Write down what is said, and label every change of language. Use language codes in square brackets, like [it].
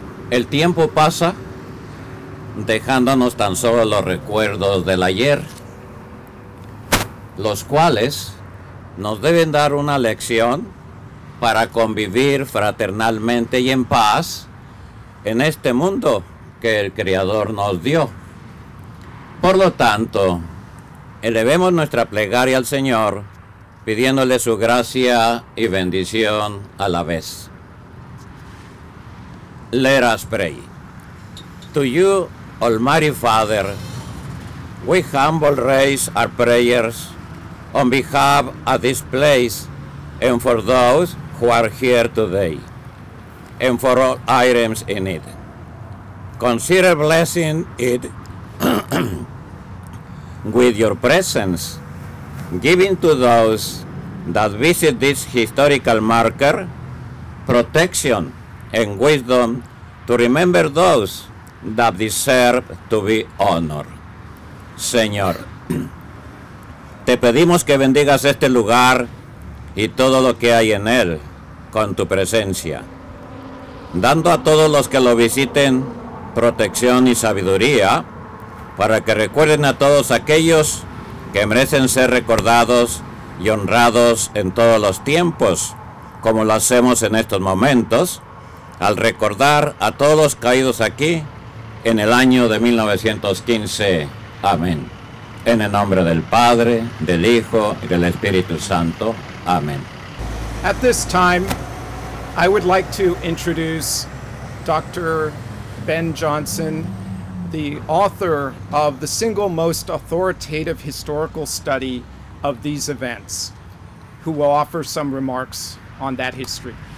[es] El tiempo pasa dejándonos tan solo los recuerdos del ayer, los cuales nos deben dar una lección para convivir fraternalmente y en paz en este mundo que el Creador nos dio. Por lo tanto, elevemos nuestra plegaria al Señor, pidiéndole su gracia y bendición a la vez. [en] Let us pray. To you, Almighty Father, we humble raise our prayers on behalf of this place and for those who are here today and for all items in it. Consider blessing it with your presence, giving to those that visit this historical marker protection and wisdom to remember those that deserve to be honored. [es] Señor, te pedimos que bendigas este lugar y todo lo que hay en él con tu presencia, dando a todos los que lo visiten protección y sabiduría para que recuerden a todos aquellos que merecen ser recordados y honrados en todos los tiempos, como lo hacemos en estos momentos, al recordar a todos los caídos aquí en el año de 1915. Amén. En el nombre del Padre, del Hijo y del Espíritu Santo. Amén. [en] At this time, I would like to introduce Dr. Ben Johnson, the author of the single most authoritative historical study of these events, who will offer some remarks on that history.